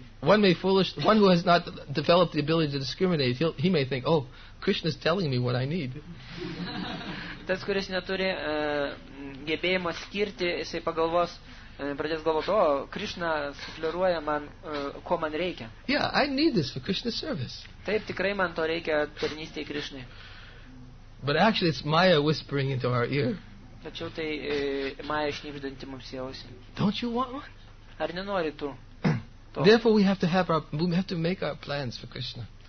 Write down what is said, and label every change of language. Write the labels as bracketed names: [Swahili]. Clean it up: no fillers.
[English] One may foolish, one who has not developed the ability to discriminate, he may think, oh, Krishna is telling me what I need. [Lithuanian] Tas, kuris neturi gebėjimo skirti, jisai pagalvos, pradės galvoti, o, Krishna sufliruoja man, ko man reikia. [English] Yeah, I need this for Krishna's service. [Lithuanian] Taip, tikrai man to reikia tarnystėje Krishnai. [English] But actually it's Maya whispering into our ear. [Lithuanian] Tačiau tai Maya šnibždanti mums į ausį. [English] Don't you want one? [Lithuanian] Ar nenori tu? [English] Therefore we have to make our plans for Krishna.